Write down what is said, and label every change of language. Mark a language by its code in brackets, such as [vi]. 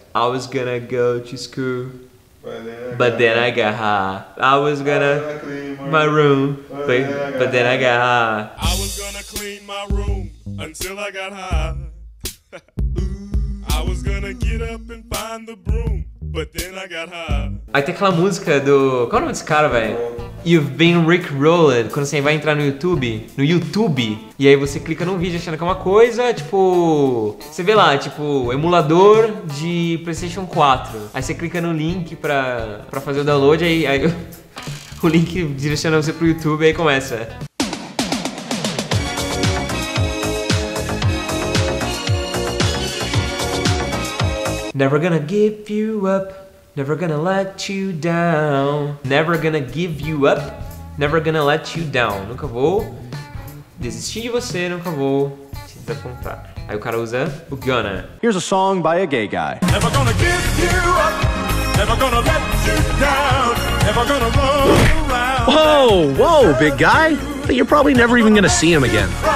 [en] I was gonna go to school, but then I got high. I was gonna clean my room, but then I got high. I was gonna clean my room until I got high. I was gonna get up and find the broom, but then I got high. [pt] Aí tem aquela música do... Qual é o nome desse cara, velho? [en] You've been Rickrolled. [pt] Quando você vai entrar no YouTube, e aí você clica num vídeo achando que é uma coisa, tipo... Você vê lá, tipo, emulador de PlayStation 4. Aí você clica no link pra fazer o download, aí o link direciona você pro YouTube, aí começa. [en] Never gonna give you up, never gonna let you down. Never gonna give you up, never gonna let you down. [pt] Nunca vou desistir de você, nunca vou te desapontar. Aí o cara usa o gonna. [en] Here's a song by a gay guy. Never gonna give you up, never gonna let you down. Never gonna roll around. Whoa, whoa, big guy. But you're probably never even gonna see him again.